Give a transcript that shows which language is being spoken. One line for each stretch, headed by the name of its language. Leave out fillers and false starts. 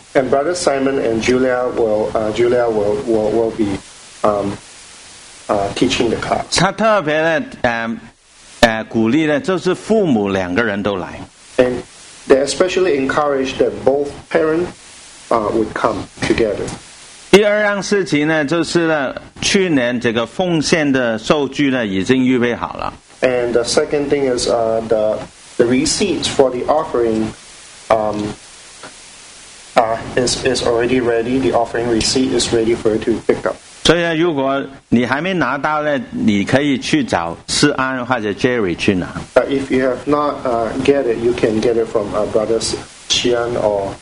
English: And brother Simon and Julia will be teaching the class.
Chinese: 他特别的鼓励的就是父母两个人都来。
English: And they especially encourage that both parents would come together.
Chinese: 第二样事情呢，就是呢，去年这个奉献的收据呢，已经预备好了。
English: And the second thing is the receipts for the offering is already ready. The offering receipt is ready for you to pick up.
Chinese: 所以呢，如果你还没拿到呢，你可以去找世安或者 Jerry 去拿。
English: But if you have not get it, you can get it from brothers Xian or